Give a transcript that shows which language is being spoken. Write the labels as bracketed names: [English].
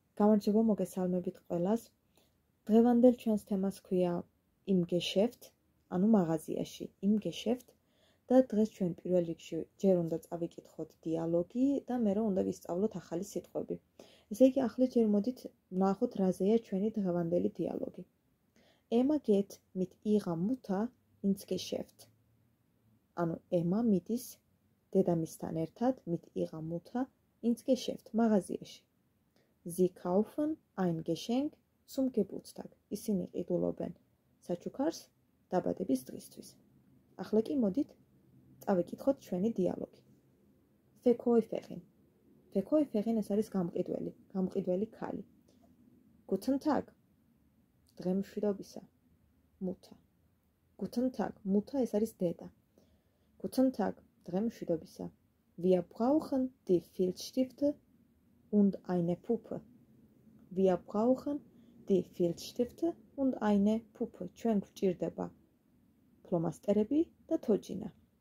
[Georgian] გამარჯობა, მოგესალმებით ყველას. დღევანდელ ჩვენს თემას ქვია იმგეშეფთ, ანუ მაღაზიაში იმგეშეფთ და დღეს ჩვენ პირველ რიგში ჯერ უნდა წავიკითხოთ დიალოგი და მერე უნდა ვისწავლოთ ახალი სიტყვები. ესე იგი, ახლა ჯერ მოდით ნახოთ, რაზეა ჩვენი დღევანდელი დიალოგი. [German] Emma geht mit ihrer Mutter ins Geschäft. [Georgian] ანუ Emma მიდის დედამისთან ერთად, [German] mit ihrer Mutter ins Geschäft, [Georgian] მაღაზიაში. [German] Sie kaufen ein Geschenk zum Geburtstag. [Georgian] ისინი ყიდულობენ საჩუქარს დაბადების დღისთვის. ახლა კი მოდით წავიკითხოთ ჩვენი დიალოგი. Verkäuferin. Verkäuferin ეს არის გამყიდველი, გამყიდველი ქალი. [German] Guten Tag. [Georgian] დღემშვიდობისა. [German] Mutter. Guten Tag. [Georgian] Mutter ეს არის დედა. [German] Guten Tag. [Georgian] დღემშვიდობისა. [German] Wir brauchen die Filzstifte und eine Puppe. Wir brauchen die Filzstifte und eine Puppe. [Georgian] ჩვენ გვჭირდება ფლომასტერები და თოჯინა.